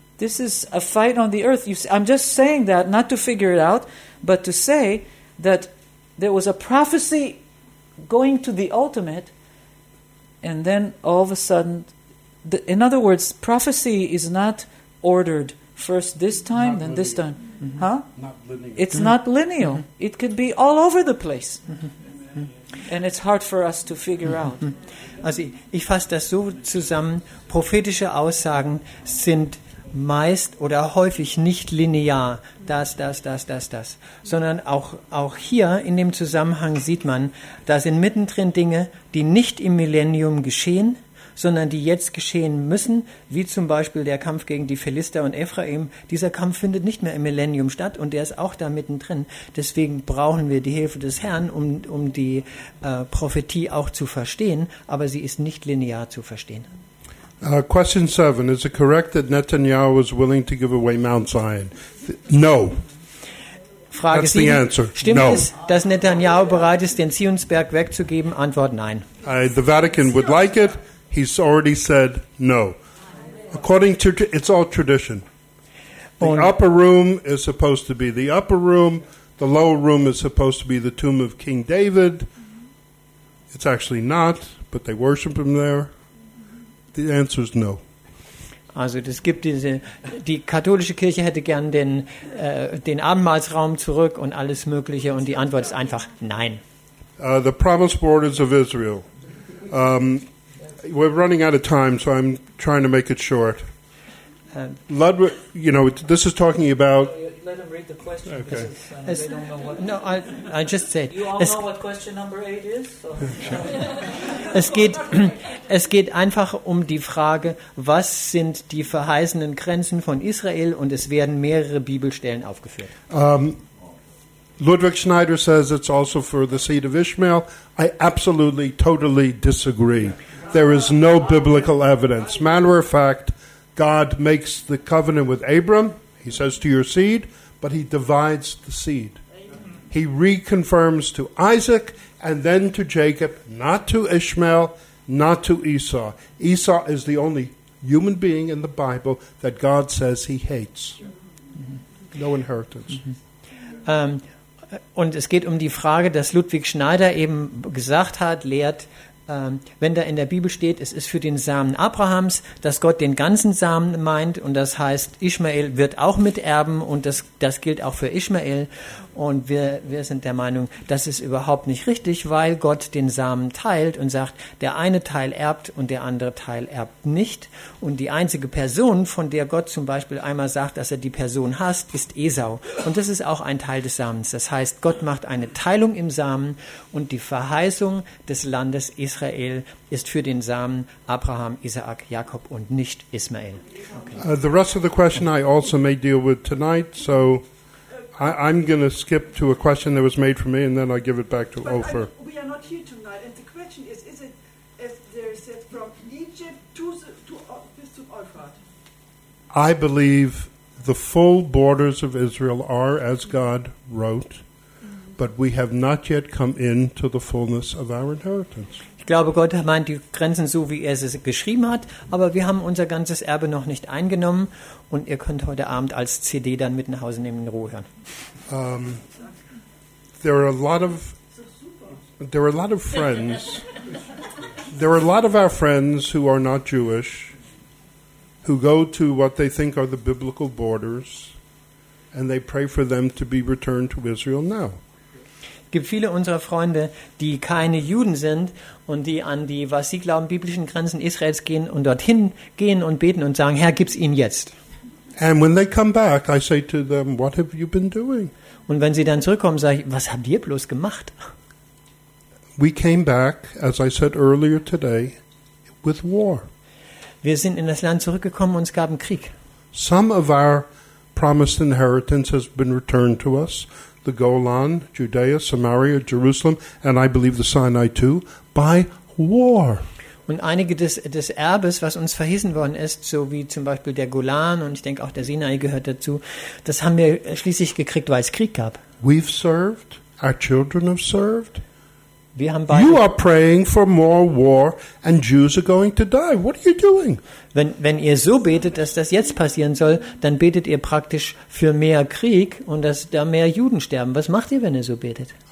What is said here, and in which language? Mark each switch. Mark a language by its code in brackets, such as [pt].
[en] This is a fight on the earth. I'm just saying that, not to figure it out, but to say that there was a prophecy going to the ultimate, and then all of a sudden, in other words, prophecy is not ordered first this time, not then This time. Mm-hmm. Huh? Not linear. It's not linear. Mm-hmm. It could be all over the place. And it's hard for us to figure out. [de] Also, ich fasse das so zusammen: prophetische Aussagen sind meist oder häufig nicht linear, das, sondern auch hier in dem Zusammenhang sieht man, da sind mittendrin Dinge, die nicht im Millennium geschehen, sondern die jetzt geschehen müssen, wie zum Beispiel der Kampf gegen die Philister und Ephraim. Dieser Kampf findet nicht mehr im Millennium statt und der ist auch da mittendrin. Deswegen brauchen wir die Hilfe des Herrn, um die Prophetie auch zu verstehen, aber sie ist nicht linear zu verstehen. [en] Question 7. Is it correct that Netanyahu was willing to give away Mount Zion? No. [de] Frage [en] That's 7. The answer. [de] Stimmt [en] no. [de] es, dass Netanyahu bereit ist, den Zionsberg wegzugeben? Antwort nein. [en] The Vatican would like it. He's already said no. According to, it's all tradition. The Und upper room is supposed to be the upper room. The lower room is supposed to be the tomb of King David. It's actually not, but they worship him there. The answer is no. [de] Also, es gibt diese, die katholische Kirche hätte gern den, den Abendmahlsraum zurück und alles Mögliche, und die Antwort ist einfach nein. [en] The promised borders of Israel. We're running out of time, so I'm trying to make it short. Ludwig, you know, this is talking about. Let him read the question. Okay. Because they don't know what no, I just said. You all know what question number 8 is. So. [de] Es geht einfach um die Frage, was sind die verheißenen Grenzen von Israel, und es werden mehrere Bibelstellen aufgeführt. [en] Ludwig Schneider says it's also for the seed of Ishmael. I absolutely, totally disagree. There is no biblical evidence. Matter of fact, God makes the covenant with Abram. He says to your seed, but he divides the seed. He reconfirms to Isaac and then to Jacob, not to Ishmael, not to Esau. Esau is the only human being in the Bible that God says he hates. No inheritance. [de] Und es geht um die Frage, dass Ludwig Schneider eben gesagt hat, lehrt, wenn da in der Bibel steht, es ist für den Samen Abrahams, dass Gott den ganzen Samen meint, und das heißt, Ishmael wird auch miterben, und das gilt auch für Ishmael. Und wir sind der Meinung, das ist überhaupt nicht richtig, weil Gott den Samen teilt und sagt, der eine Teil erbt und der andere Teil erbt nicht. Und die einzige Person, von der Gott zum Beispiel einmal sagt, dass er die Person hasst, ist Esau. Und das ist auch ein Teil des Samens. Das heißt, Gott macht eine Teilung im Samen, und die Verheißung des Landes Israel ist für den Samen Abraham, Isaak, Jakob und nicht Ismael. [en] Okay. The rest of the question I also may deal with tonight, so I'm going to skip to a question that was made for me, and then I give it back to but Ofer. We are not here tonight, and the question is it, as there is said, from Egypt to Euphrates? I believe the full borders of Israel are as God wrote, but we have not yet come into the fullness of our inheritance. [de] Ich glaube, Gott meint die Grenzen so, wie er sie geschrieben hat, aber wir haben unser ganzes Erbe noch nicht eingenommen, und ihr könnt heute Abend als CD dann mit nach Hause nehmen und in Ruhe hören. [en] There are a lot of friends. There are a lot of our friends who are not Jewish, who go to what they think are the biblical borders, and they pray for them to be returned to Israel now. [de] Es gibt viele unserer Freunde, die keine Juden sind und die an die, was sie glauben, biblischen Grenzen Israels gehen und dorthin gehen und beten und sagen, Herr, gib's ihnen jetzt. [en] And when they come back, I say to them, what have you been doing? [de] Und wenn sie dann zurückkommen, sage ich, was habt ihr bloß gemacht? [en] We came back, as I said earlier today, with war. [de] Wir sind in das Land zurückgekommen und es gab einen Krieg. [en] Some of our promised inheritance has been returned to us. The Golan, Judea, Samaria, Jerusalem, and I believe the Sinai too, by war. [de] Und einige des Erbes, was uns verhissen worden ist, so wie zum Beispiel der Golan, und ich denke auch der Sinai gehört dazu, das haben wir schließlich gekriegt, weil es Krieg gab. [en] We've served, our children have served. [de] Wir haben beide. [en] You are praying for more war and Jews are going to die. What are you doing? [de] Wenn ihr so betet, dass das jetzt passieren soll, dann betet ihr praktisch für mehr Krieg und dass da mehr Juden sterben. Was macht ihr, wenn ihr so betet?